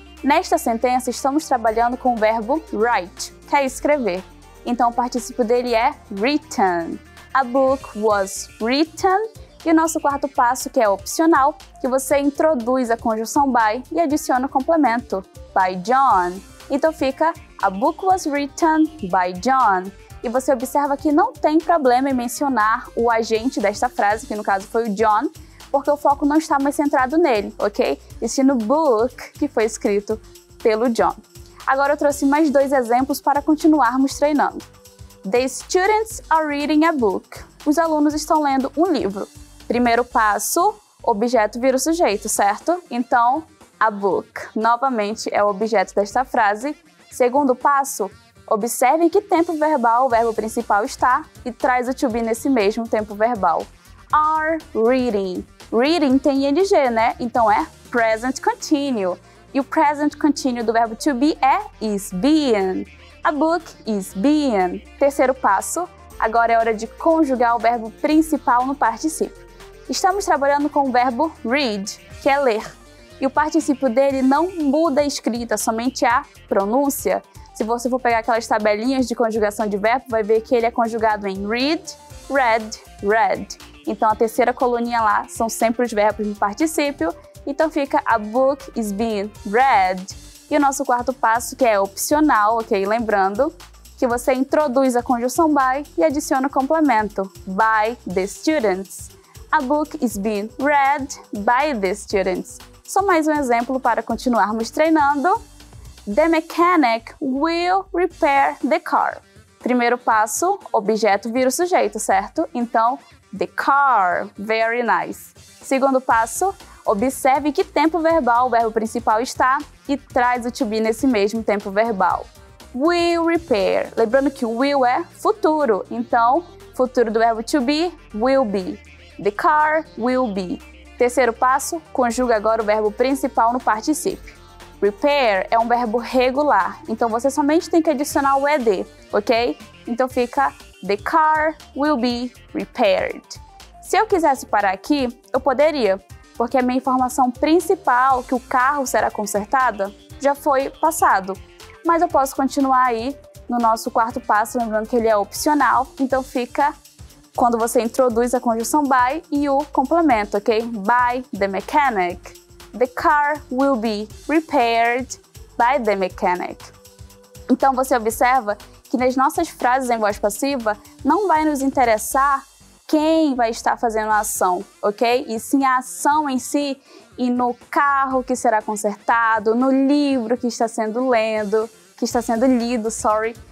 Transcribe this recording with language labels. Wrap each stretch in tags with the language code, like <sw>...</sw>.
<pt>Nesta sentença, estamos trabalhando com o verbo write, que é escrever. Então o particípio dele é written.</pt> <en>A book was written.</en> <pt>E o nosso quarto passo, que é opcional, que você introduz a conjunção by e adiciona o complemento,</pt> <en>by John. Então fica, a book was written by John.</en> <pt>E você observa que não tem problema em mencionar o agente desta frase, que no caso foi o John, porque o foco não está mais centrado nele, ok? E sim no book, que foi escrito pelo John. Agora eu trouxe mais 2 exemplos para continuarmos treinando.</pt> <en>The students are reading a book.</en> <pt>Os alunos estão lendo um livro. Primeiro passo, objeto vira o sujeito, certo? Então, a book, novamente, é o objeto desta frase. Segundo passo, observe em que tempo verbal o verbo principal está e traz o to be nesse mesmo tempo verbal.</pt> <en>Are reading. Reading</en> <pt>tem ing, né? Então é present continue. E o present continue do verbo to be é is being.</pt> <en>A book is being.</en> <pt>Terceiro passo, agora é hora de conjugar o verbo principal no particípio. Estamos trabalhando com o verbo read, que é ler. E o particípio dele não muda a escrita, somente a pronúncia. Se você for pegar aquelas tabelinhas de conjugação de verbo, vai ver que ele é conjugado em read, read, read. Então a terceira coluninha lá são sempre os verbos no particípio.</pt> <en>Então fica a book is being read.</en> <pt>E o nosso quarto passo, que é opcional, ok? Lembrando que você introduz a conjunção by e adiciona o complemento</pt> <en>by the students. A book is being read by the students.</en> <pt>Só mais um exemplo para continuarmos treinando.</pt> <en>The mechanic will repair the car.</en> <pt>Primeiro passo, objeto vira o sujeito, certo? Então, the car.</pt> <en>Very nice.</en> <pt>Segundo passo, observe que tempo verbal o verbo principal está e traz o to be nesse mesmo tempo verbal.</pt> <en>Will repair.</en> <pt>Lembrando que will é futuro. Então, futuro do verbo to be, will be.</pt> <en>The car will be.</en> <pt>Terceiro passo, conjuga agora o verbo principal no particípio. Repair é um verbo regular, então você somente tem que adicionar o ed, ok?</pt> <en>Então fica, the car will be repaired.</en> <pt>Se eu quisesse parar aqui, eu poderia, porque a minha informação principal, que o carro será consertado, já foi passado. Mas eu posso continuar aí no nosso quarto passo, lembrando que ele é opcional, então fica quando você introduz a conjunção by e o complemento, ok?</pt> <en>By the mechanic. The car will be repaired by the mechanic.</en> <pt>Então você observa que nas nossas frases em voz passiva, não vai nos interessar quem vai estar fazendo a ação, ok? E sim a ação em si e no carro que será consertado, no livro que está sendo lendo, que está sendo lido, sorry.</pt>